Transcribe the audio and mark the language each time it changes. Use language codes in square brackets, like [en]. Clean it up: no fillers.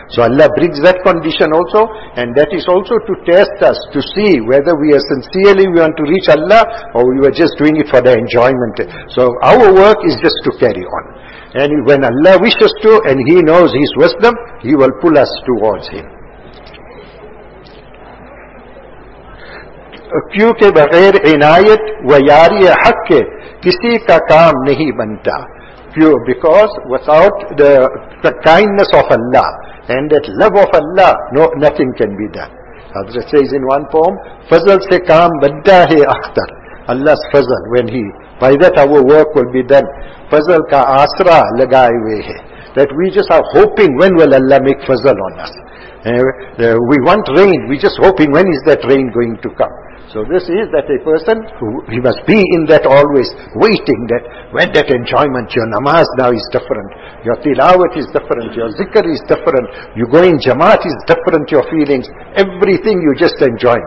[en] So Allah brings that condition also, and that is also to test us, to see whether we are sincerely we want to reach Allah, or we were just doing it for the enjoyment. So our work is just to carry on. And when Allah wishes to, and He knows His wisdom, He will pull us towards Him. [ur] کیوں کہ بغیر عنایت و یاری حق کے کسی کا کام نہیں بنتا. [en] Because without the kindness of Allah and that love of Allah, no, nothing can be done. Hazrat says in one poem, [ur] فضل سے کام بنتا ہے Akhtar. [en] Allah's fazl, when He, by that our work will be done. [ur] Fazl ka asra lagai hue hai. [en] That we just are hoping, when will Allah make fazl on us? We want rain, we just hoping, when is that rain going to come? So this is that a person, who he must be in that always, waiting that, when that enjoyment, your namaz now is different, your tilawat is different, your zikr is different, you go in jamaat is different, your feelings, everything you just enjoy.